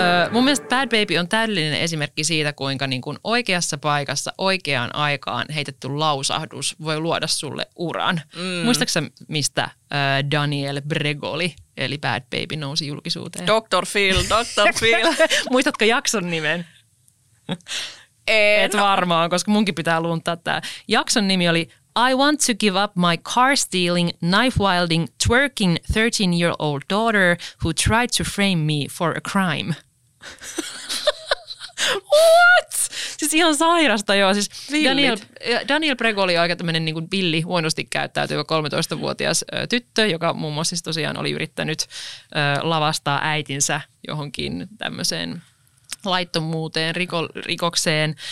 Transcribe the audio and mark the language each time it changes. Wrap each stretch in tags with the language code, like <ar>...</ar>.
<fi>Mun mielestä Bad Baby on täydellinen esimerkki siitä, kuinka niin kun oikeassa paikassa oikeaan aikaan heitetty lausahdus voi luoda sulle uran. Mm. Muistatko sä, mistä Daniel Bregoli, eli Bad Baby, nousi julkisuuteen?</fi> <en>Dr. Phil, Dr. Phil.</en> <fi>Muistatko jakson nimen? En. Et varmaan, koska munkin pitää luntaa tää. Jakson nimi oli</fi> <en>I want to give up my car stealing, knife wilding, twerking 13-year-old daughter who tried to frame me for a crime. What?</en> <fi>Siis ihan sairasta joo. Siis Daniel Bregoli on aika tämmönen niin kuin villi, huonosti käyttäytyvä 13-vuotias tyttö, joka muun muassa siis tosiaan oli yrittänyt lavastaa äitinsä johonkin tämmöiseen laittomuuteen, rikokseen.</fi>